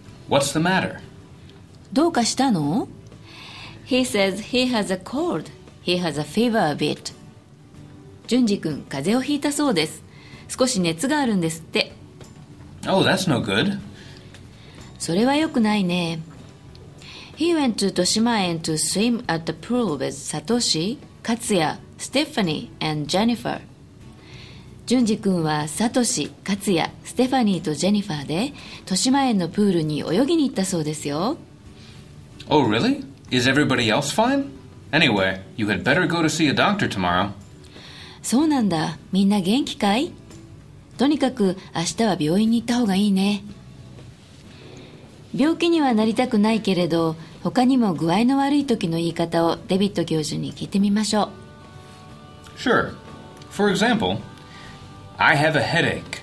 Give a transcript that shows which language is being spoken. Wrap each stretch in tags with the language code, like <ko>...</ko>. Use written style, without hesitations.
<en>What's the matter?</en> <ja>どうかしたの?</ja> <en>He says he has a cold. He has a fever a bit. Junji君、</en> <ja>風邪をひいたそうです。少し熱があるんですって。</ja> <en>Oh, that's no good.</en> <ja>それはよくないね。</ja> <en>He went to Toshimaen to swim at the pool with Satoshi, Katsuya, Stephanie, and Jennifer.</en> <ja>順次君はサトシ、カツヤ、ステファニーとジェニファーで豊島園のプールに泳ぎに行ったそうですよ。</ja> <en>Oh really? Is everybody else fine? Anyway, you had better go to see a doctor tomorrow.</en> <ja>そうなんだ、みんな元気かい？とにかく明日は病院に行った方がいいね。病気にはなりたくないけれど、他にも具合の悪い時の言い方をデビッド教授に聞いてみましょう。</ja> <en>Sure. For example,I have a headache.</en>